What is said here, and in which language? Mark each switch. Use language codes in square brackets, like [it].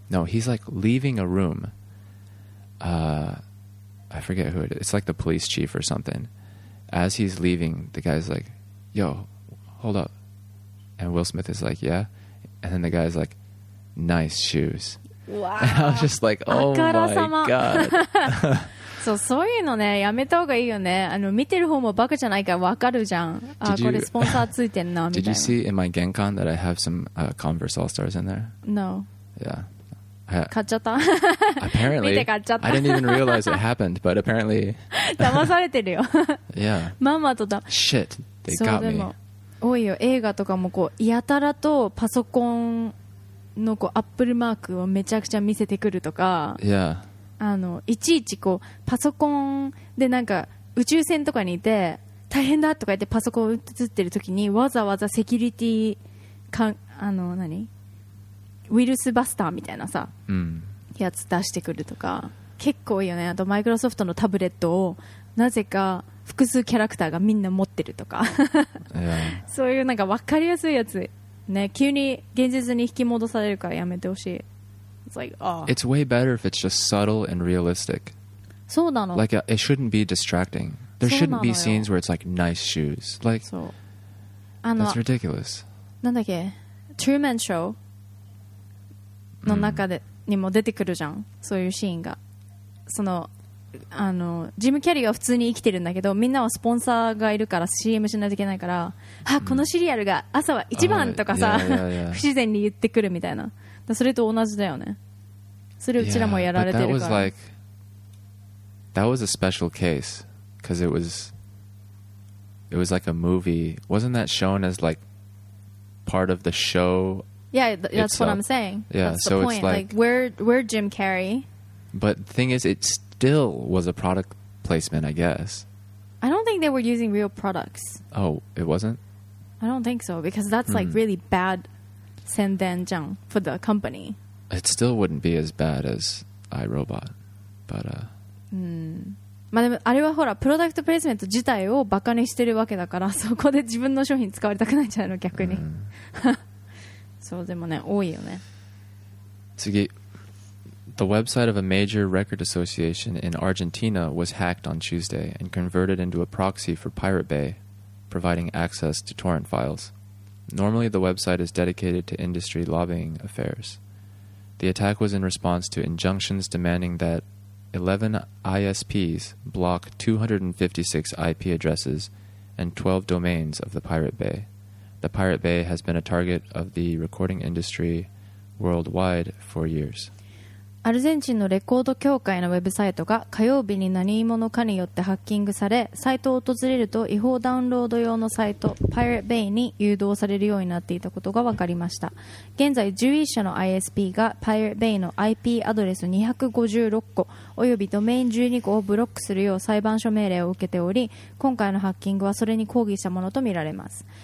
[en] No, he's like leaving a room. I forget who it is. It's like the police chief or something. As he's leaving, the guy's like, yo, hold up. And Will Smith is like, yeah. And then the guy's like, nice shoes. Wow. And I was just like, oh my God. [ja] そう、 そういうのねやめた方がいいよね。見てる方もバカじゃないからわかるじゃん。あ、これスポンサーついてんなみたいな。 [en] Did you see in my Genkan that I have some Converse All Stars in there? No. Yeah. [ja] 買っちゃった。 [en] Apparently. [ja] 見て買っちゃった。 [en] I didn't even realize it happened, but apparently. [ja] 騙されてるよ。 [en] Yeah. [ja] ママとだ。 [en] Shit, they got me. [ja] そうでも多いよ。映画とかもこうやたらとパソコンのこうアップルマークをめちゃくちゃ見せてくるとか。 [en] Yeah. [ja] いちいちこうパソコンでなんか宇宙船とかにいて大変だとか言ってパソコン映ってる時にわざわざセキュリティかあの何ウイルスバスターみたいなさ、うん、やつ出してくるとか結構いいよね。あとマイクロソフトのタブレットをなぜか複数キャラクターがみんな持ってるとか [en] <Yeah. [ja] 笑>そういうなんか分かりやすいやつね、急に現実に引き戻されるからやめてほしい。 [en] Like, oh. It's way better if it's just subtle and realistic. [ja] そうなの。 [en] Like, it shouldn't be distracting. There shouldn't be scenes where it's like nice shoes. Like, [ja] そう。 [en] That's ridiculous. [ja] なんだっけ、Truman Show の中で、mm. にも出てくるじゃん。そういうシーンが。その、ジム・キャリーは普通に生きてるんだけど、みんなはスポンサーがいるから CM しないといけないから、mm. あ、このシリアルが朝は一番とかさ、 [en] yeah. [ja] 不自然に言ってくるみたいな。それと同じだよね。それうちらもやられてるから。 [en] Yeah, that was like, that was a special case, because it was like a movie. Wasn't that shown as like part of the show? Yeah, that's what I'm saying. Yeah, that's so the point. It's like where Jim Carrey. But the thing is, it still was a product placement, I guess. I don't think they were using real products. Oh, it wasn't? I don't think so, because that's like really bad. [ja] 宣伝じゃん [en] for the company. It still wouldn't be as bad as iRobot, but [ja] まあでもあれはほらプロダクトプレイスメント自体をバカにしてるわけだからそこで自分の商品使われたくないんじゃないの逆に、mm. そうでもね多いよね。 [en] 次、 The website of a major record association in Argentina was hacked on Tuesday and converted into a proxy for Pirate Bay, providing access to torrent filesNormally, the website is dedicated to industry lobbying affairs. The attack was in response to injunctions demanding that 11 ISPs block 256 IP addresses and 12 domains of the Pirate Bay. The Pirate Bay has been a target of the recording industry worldwide for years. [ja] アルゼンチンのレコード協会のウェブサイトが火曜日に何者かによってハッキングされ、サイトを訪れると違法ダウンロード用のサイト Pirate Bay に誘導されるようになっていたことが分かりました。現在11社の ISP が Pirate Bay の IP アドレス256個およびドメイン12個をブロックするよう裁判所命令を受けており、今回のハッキングはそれに抗議したものとみられます。